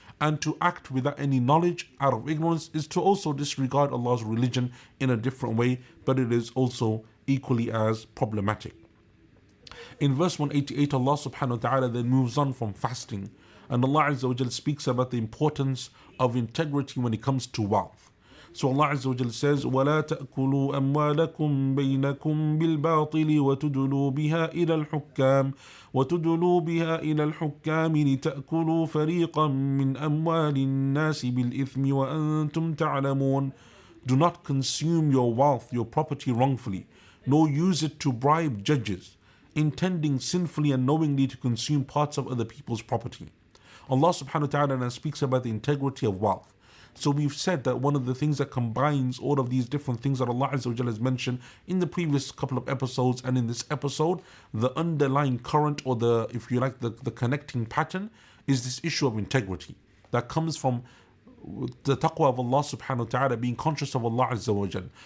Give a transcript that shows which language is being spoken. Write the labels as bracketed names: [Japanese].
[English] And to act without any knowledge out of ignorance is to also disregard Allah's religion in a different way, but it is also equally as problematic. In verse 188, Allah subhanahu wa ta'ala then moves on from fasting, and Allah Azza wa Jalla speaks about the importance of integrity when it comes to wealth. So Allah Azza wa Jalla says, [Arabic] وَلَا تَأْكُلُوا أَمْوَالَكُمْ بَيْنَكُمْ بِالْبَاطِلِ وَتُدُلُوا بِهَا إِلَى الْحُكَّامِ وَتُدُلُوا بِهَا إِلَى الْحُكَّامِ لِتَأْكُلُوا فَرِيقًا مِّنْ أَمْوَالِ النَّاسِ بِالْإِثْمِ وَأَنْتُمْ تَعْلَمُونَ. [English] Do not consume your wealth, your property wrongfully, nor use it to bribe judges, intending sinfully and knowingly to consume parts of other people's property. Allah subhanahu wa ta'ala now speaks about the integrity of wealth. So we've said that one of the things that combines all of these different things that Allah Azza wa Jalla has mentioned in the previous couple of episodes and in this episode, the underlying current, or the, if you like, the connecting pattern, is this issue of integrity that comes from the taqwa of Allah subhanahu wa ta'ala, being conscious of Allah Azza wa Jalla.